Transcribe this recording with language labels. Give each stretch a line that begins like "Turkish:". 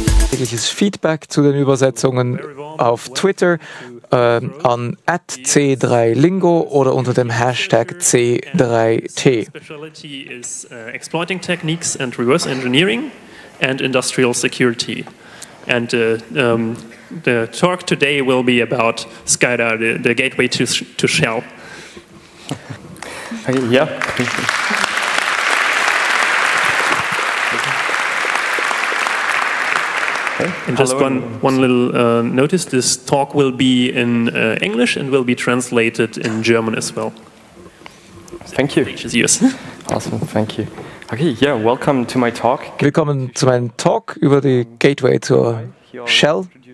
German: Jegliches Feedback zu den Übersetzungen auf Twitter an @c3lingo oder unter dem Hashtag C3T.
English: Specialty is exploiting techniques and reverse engineering and industrial security. And the talk today will be about SCADA, the gateway to shell.
German: Ja.
English: And just one little notice, this talk will be in English and will be translated in German as well. Thank you. Which is yours. Awesome, thank you. Okay, yeah, welcome to my talk.
German: Willkommen zu meinem Talk über die Gateway zur Shell.